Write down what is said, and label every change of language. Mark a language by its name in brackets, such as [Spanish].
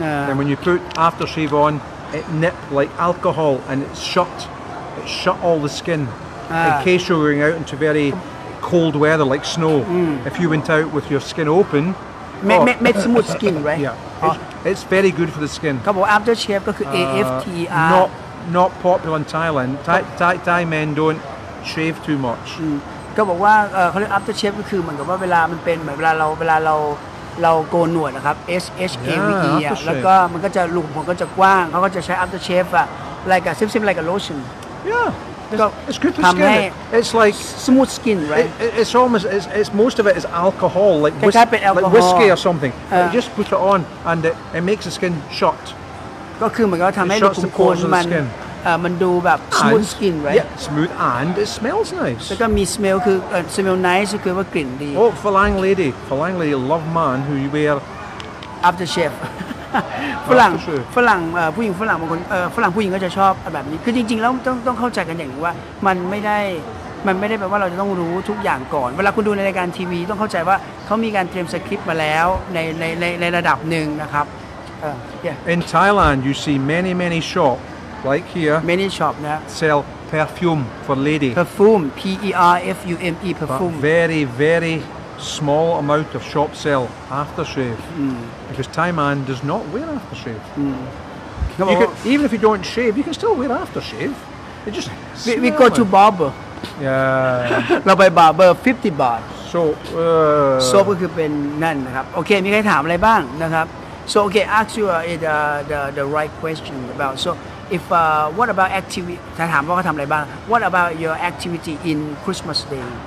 [English] And when you put aftershave on, it nip like alcohol and it's shut. It shut all the skin in case you're going out into very cold weather like snow. If you went out with your skin open, Met skin, right? Yeah. It's very good for the skin. [Thai] ครับ aftershave ก็คือ AFTR. [English] Not popular in Thailand. Thai men don't shave too much. [Thai] ก็บอกว่าเขาเรียก aftershave ก็คือเหมือนกับว่าเวลามันเป็นเหมือนเวลาเราโกนหนวดนะครับ SHAVE อ่ะแล้วก็มันก็จะรูผมก็จะกว้างเขาก็จะใช้ aftershave อ่ะ [English] like a same like a lotion. Yeah. It's good for skin. It's like smooth skin, right? It's almost it's most of it is alcohol, like whiskey or something. You just put it on, and it makes the skin short. [Thai] ก็คือเหมือนกับทำให้ผิวของคนมันมันดูแบบ [English] smooth skin, right? Yeah, smooth, and it smells nice. [Thai] แล้วก็มี smell คือ smell nice คือว่ากลิ่นดี [English] Oh, Falang lady, love man who you wear aftershave. [Thai] ฝรั่งผู้หญิงฝรั่งบางคนฝรั่งผู้หญิงก็จะชอบแบบนี้คือจริงๆแล้วต้องเข้าใจกันอย่างนึงว่ามันไม่ได้แบบว่าเราจะต้องรู้ทุกอย่างก่อนเวลาคุณดูในรายการทีวีต้องเข้าใจว่าเขามีการเตรียมสคริปต์มาแล้วในระดับหนึ่งนะครับ [English] In Thailand you see many shop like here many shop นะ sell perfume for lady perfume P-E-R-F-U-M-E perfume very verySmall amount of shop sell aftershave because Thai man does not wear aftershave. Even if you don't shave, you can still wear aftershave. We go to barber. Yeah. [Thai] เราไป barber 50 baht. [English] So soap [Thai] ก็คือเป็นนั่นนะครับ [English] Okay, [Thai] มีใครถามอะไรบ้างนะครับ [English] So okay, ask you the right question about so if what about activity? [Thai] ถามว่าเขาทำอะไรบ้าง [English] What about your activity in Christmas Day?